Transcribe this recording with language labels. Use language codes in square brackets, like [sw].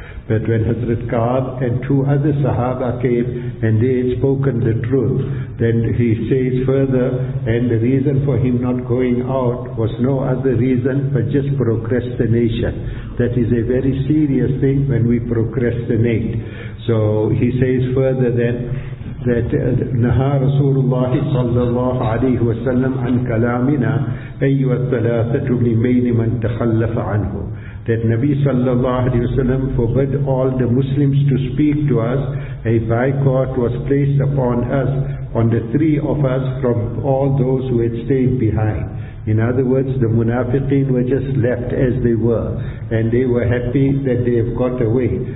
[en] But when Hazrat Ka'b and two other Sahaba came and they had spoken the truth, then he says further, and the reason for him not going out was no other reason but just procrastination. That is a very serious thing when we procrastinate. So he says further then, that [ar] نهى رسول الله صلى الله عليه وسلم عن كلامنا أيها الثلاثة بين من تخلف عنه. [en] That Nabi sallallahu alayhi wa sallam forbid all the Muslims to speak to us. A boycott was placed upon us, on the three of us, from all those who had stayed behind. In other words, the munafiqeen were just left as they were, and they were happy that they have got away.